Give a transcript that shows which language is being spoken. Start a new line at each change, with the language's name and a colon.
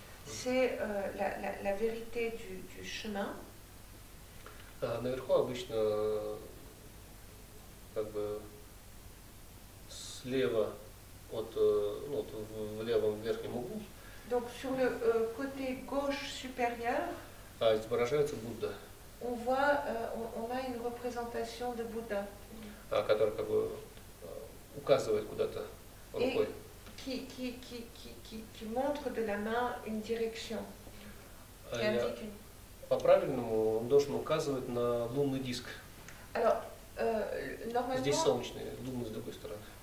French: C'est la vérité du chemin.
Russian: Наверху обычно как бы слева от в левом верхнем углу.
French: Donc sur le côté gauche supérieur.
Russian: А изображается Будда.
French: On voit on a une représentation de Bouddha.
Russian: Который как бы указывает куда-то рукой.
French: Et qui montre de la main une direction.
Russian: По правильному он должен указывать на лунный диск.
French: Alors normalement,
Russian: здесь солнечный, лунный с другой стороны.